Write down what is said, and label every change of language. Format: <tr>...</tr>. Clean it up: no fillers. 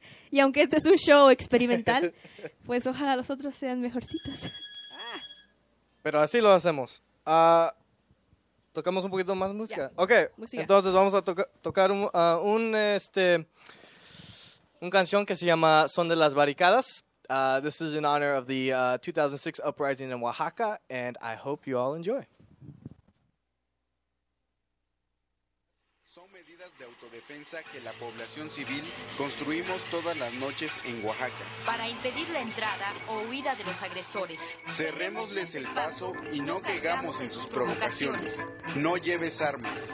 <es>Y aunque este es un show experimental, pues ojalá los otros sean mejorcitos. Pero así lo hacemos. Tocamos un poquito más música. Yeah. Okay. Música. Entonces vamos a tocar un canción que se llama Son de las Barricadas.</es> <en>This is in honor of the 2006 uprising in Oaxaca, and I hope you all enjoy.</en> <es>Son medidas de autodefensa que la población civil construimos todas las noches en Oaxaca. Para impedir la entrada o huida de los agresores. Cerrémosles el paso y no caigamos en sus provocaciones. No lleves armas.</es>